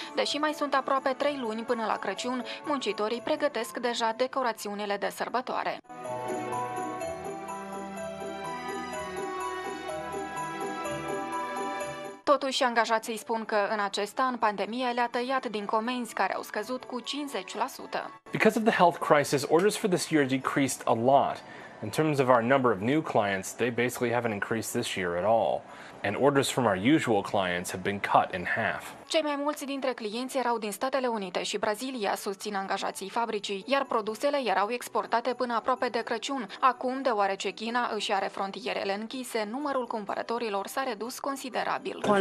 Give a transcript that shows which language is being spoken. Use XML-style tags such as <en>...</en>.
<ro>Deși mai sunt aproape 3 luni până la Crăciun, muncitorii pregătesc deja decorațiunile de sărbătoare. Totuși, angajații spun că în acest an pandemia le-a tăiat din comenzi care au scăzut cu 50%.</ro> <en>Because of the health crisis, orders for this year decreased a lot. In terms of our number of new clients, they basically haven't increased this year at all. And orders from our usual clients have been cut in half.</en> <ro>Cei mai mulți dintre clienți erau din Statele Unite și Brazilia, susțin angajații fabricii, iar produsele erau exportate până aproape de Crăciun. Acum, deoarece China își are frontierele închise, numărul cumpărătorilor s-a redus considerabil.</ro>